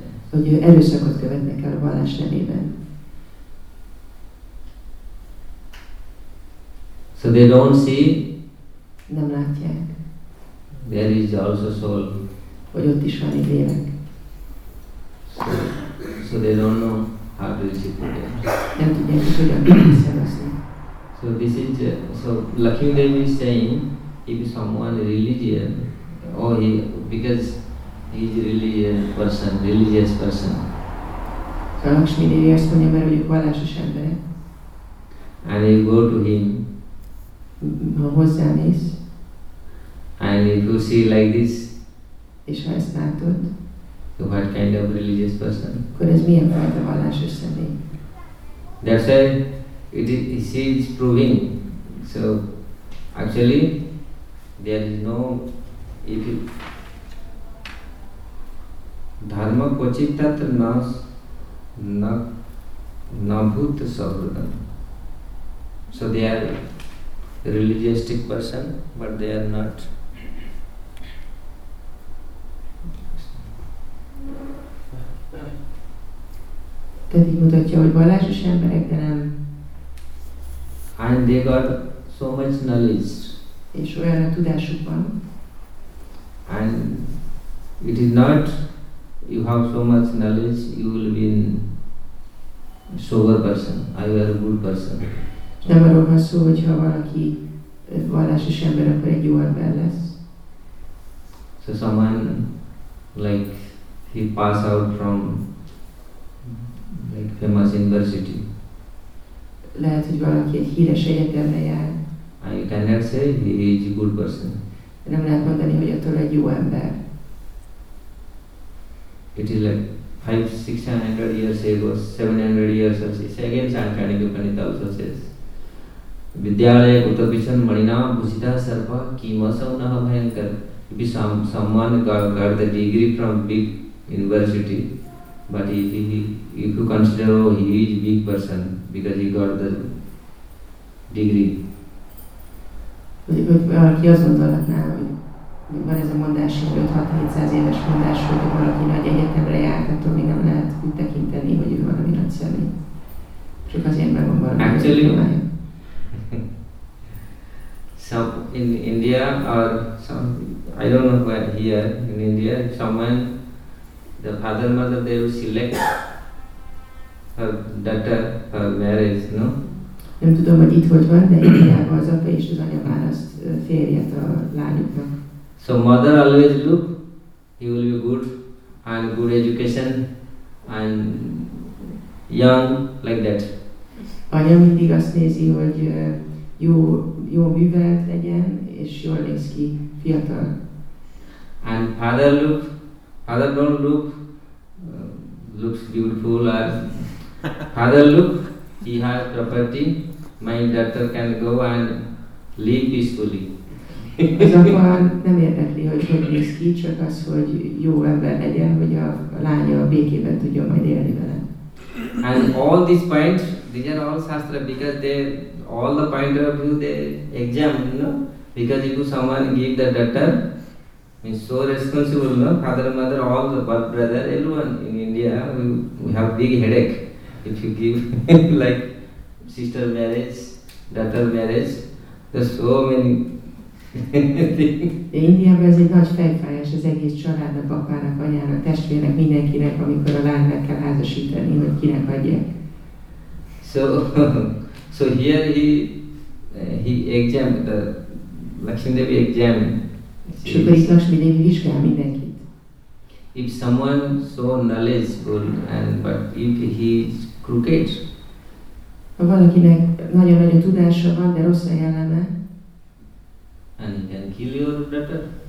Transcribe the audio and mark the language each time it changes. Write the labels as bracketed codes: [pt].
[hu] Hogy erőszakot követnek el a vallás nevében. [en] So they don't see. [hu] Nem látják. [en] There is also soul. [hu] Hogy ott is van egy lélek. [en] So they don't know how to receive it. [hu] Nem tudják, hogy hogyan kell visszavazni. [en] So this is, so Lakshmidevi is saying, if someone religion, or he, because he is a religious person, religious person. [hu] Lakshmidevi azt mondja, mert vagyok vallásos ember. [en] And you go to him. [hu] Ha hozzámész. [en] And if you see like this. [hu] És ha ezt látod. [en] So what kind of religious person? [hu] Akkor ez milyen fajta vallásos személy? [en] That's why it is, he is proving. So actually there is no, if you, [sa] dharma kvachit tatr nas nabhut sahurdam. [en] So they are religious person, but they are not. [hu] Tehát így mutatja, hogy vallásos emberek, de nem. [en] And they got so much knowledge. [hu] És olyan a tudásuk van. [en] And it is not, you have so much knowledge, you will be a sober person, you are a good person. [hu] Nem arról van szó, hogyha valaki vallásos ember, akkor egy jó ember lesz. [en] So someone, like, he pass out from, like, famous university. [hu] Lehet, hogy valaki egy híres egyetemre jár. [en] And you cannot say he is a good person. [hu] Nem lehet mondani, hogy attól egy jó ember. [en] It is like 500-600 years ago, 700 years ago, again Sankarnika Panita also says, [sa] Vidyalaya Kutabhishan Manina Bhushita Sarpa Kima Saunaha Bhayankar. [en] If someone got the degree from big university, but he, if you consider he is a big person because he got the degree. [hu] Aki azt gondolhatná, hogy van ez a mondás, hogy 5-6-700 éves mondás, hogy valaki nagy egyetemre járt, attól még nem lehet úgy tekinteni, hogy ő valami nagy személy. Csak azért meg van valami. [en] Actually, so in India or some, I don't know where, here in India, someone, the father mother, they will select her daughter for marriage, no? [hu] Nem tudom, hogy itt hogy van, de Indiában az apa és az anya választ férjet a lányuknak. [en] So mother always look, he will be good, and good education, and young, like that. [hu] Anya mindig azt nézi, hogy jó művelt legyen, és jól néz ki, fiatal. [en] And father look, father don't look, looks beautiful, or father look, he has property, my daughter can go and live peacefully. [hu] Ez a fal nem érdekli, hogy hogy néz ki, csak az, hogy jó ember legyen, hogy a lánya a békében tudjon majd élni vele. [en] And all these points, these are all sastra, because they, all the point of view, they examine, no? Because if someone give the daughter, means so responsible, no? Father, mother, all the brother, everyone in India, we have big headache. If you give, like, sister marriage, daughter marriage, there's so many things. [hu] Indiában ez egy nagy fejfájás az egész családnak, apának, anyának, testvérnek, mindenkinek, amikor a lánynak kell házasítani, hogy kinek adják. [en] So here he examined, the Lakshmidevi examined. [hu] És Lakshmidevi vizsgál mindenkit. [en] If someone so knowledgeable and but if he is crooked, [hu] ha valakinek nagyon-nagyon tudása van, de rossz a jelleme, [en] and he can kill your daughter,